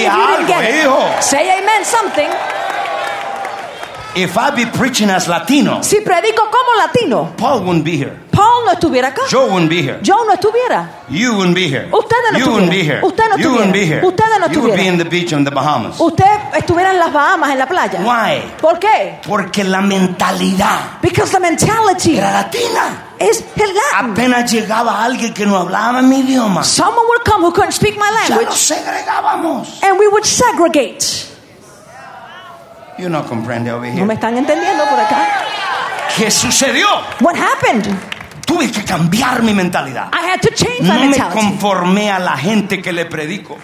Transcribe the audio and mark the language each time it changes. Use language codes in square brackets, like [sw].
[es] di algo, hijo. [en] Say amen, something. If I be preaching as Latino, [es] si predico como Latino, [en] Paul wouldn't be here. [es] Paul no estuviera acá. [en] Joe wouldn't be here. [es] Joe no estuviera. [en] You wouldn't be here. [es] Usted no [en] you [es] tuviera. [en] Wouldn't be here. [es] Usted no [en] you [es] tuviera. [en] Wouldn't be here. [es] Usted no [en] you [es] tuviera. [en] Would be in the beach in the Bahamas. [es] Usted estuviera en las Bahamas, en la playa. [en] Why? [es] ¿Por qué? Porque la mentalidad. [en] Because the mentality. [es] Era latina. [en] is Latin. [es] Apenas llegaba alguien que no hablaba mi idioma. [en] Someone would come who couldn't speak my language. [es] Ya lo segregábamos. [en] And we would segregate. You're not comprende over here. [es] No me están entendiendo por acá. ¿Qué sucedió? [en] What happened? [es] Tuve que cambiar mi mentalidad. [en] I had to change my [es] no [en] mentality. [es] Me conformé a la gente que le predico.